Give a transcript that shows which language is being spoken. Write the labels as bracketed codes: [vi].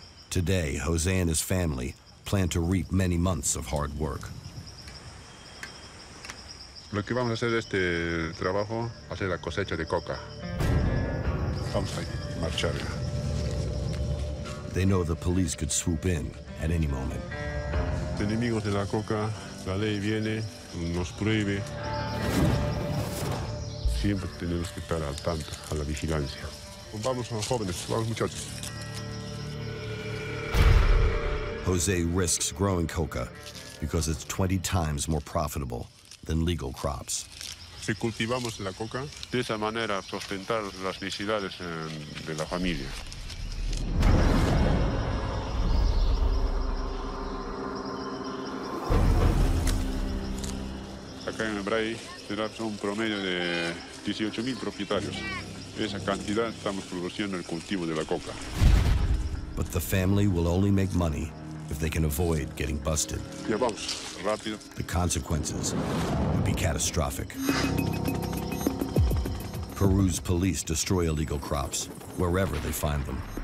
[en] Today, Jose and his family plan to reap many months of hard work. [es] Lo que vamos a hacer de este trabajo va a ser la cosecha de coca. Vamos a marchar. [en] They know the police could swoop in at any moment. [es] Enemigos de la coca, la ley viene, nos prohíbe. Siempre tenemos que estar al tanto, a la vigilancia. Vamos, jóvenes, vamos, muchachos. [en] Jose risks growing coca because it's 20 times more profitable than legal crops. [es] Si cultivamos la coca, de esa manera sustentar las necesidades de la familia. Acá en el Bray tenemos un promedio de 18,000 propietarios. Esa cantidad estamos produciendo el cultivo de la coca. [en] But the family will only make money if they can avoid getting busted. [es] Yeah, vamos. Rápido. [en] The consequences would be catastrophic. Peru's police destroy illegal crops wherever they find them.